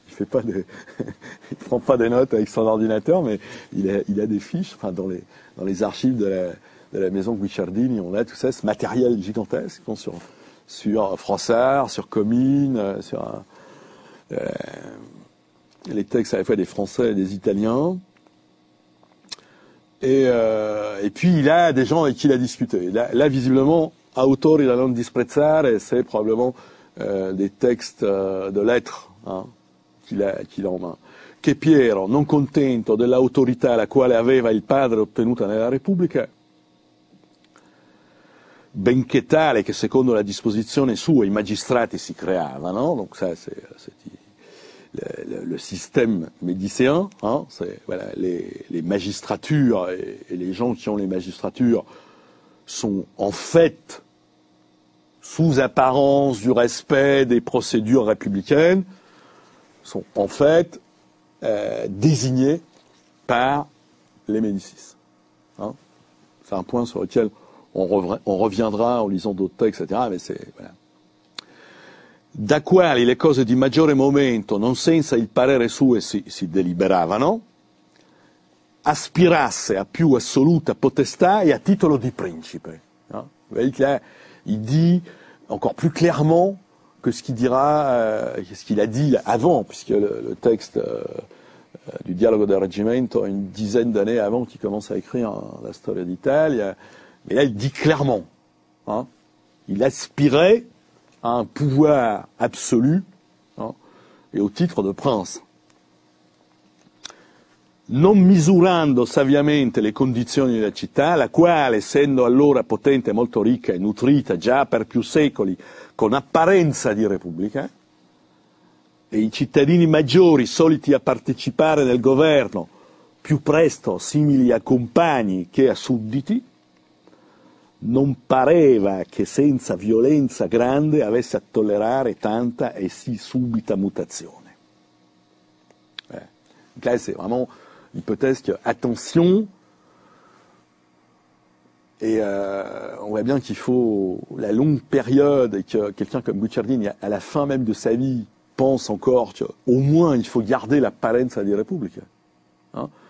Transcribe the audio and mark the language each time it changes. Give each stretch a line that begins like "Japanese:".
French: Il ne prend pas des notes avec son ordinateur, mais il a des fiches, enfin, dans les archives de la maison Guicciardini, on a tout ça, ce matériel gigantesque, bon, sur Froissart, sur Comines, sur les textes à la fois des Français et des Italiens. Et puis il a des gens avec qui il a discuté. Là visiblement,
Italian: autori da non disprezzare,
French: c'est probablement des textes de lettres, hein, qu'il a en main.
Italian: Che Piero, non contento dell'autorità la quale aveva il padre ottenuta nella Repubblica, benché tale che secondo la disposizione sua i magistrati si creavano,
French: donc ça c'est le système médicéen, hein, c'est, voilà, les magistratures et les gens qui ont les magistratures sont en fait sous apparence du respect des procédures républicaines, sont en fait désignés par les Médicis. Hein. C'est un point sur lequel on reviendra en lisant d'autres textes, etc. Mais c'est, voilà.
Italian: Da quali le cose di maggiore momento, non senza il parere suo, si deliberavano, aspirasse a più assoluta potestà e a titolo di principe. Hein.
French: Vous voyez que là, il dit encore plus clairement que ce qu'il dira, ce qu'il a dit avant, puisque le texte du Dialogo del Reggimento, une dizaine d'années avant qu'il commence à écrire la Storia d'Italia. Mais là, il dit clairement, hein, il aspirait à un pouvoir absolu, hein, et au titre de prince.
Italian: Non misurando saviamente le condizioni della città, la quale, essendo allora potente, molto ricca e nutrita già per più secoli con apparenza di repubblica, e i cittadini maggiori soliti a partecipare nel governo, più presto simili a compagni che a sudditi, non pareva che senza violenza grande avesse a tollerare tanta e sì subita mutazione.
French: C'è vraiment l'hypothèse que, attention, et on voit bien qu'il faut la longue période, et que quelqu'un comme Guicciardini, à la fin même de sa vie, pense encore qu'au moins il faut garder l'
Italian: apparenza di Repubblica.
French: Hein.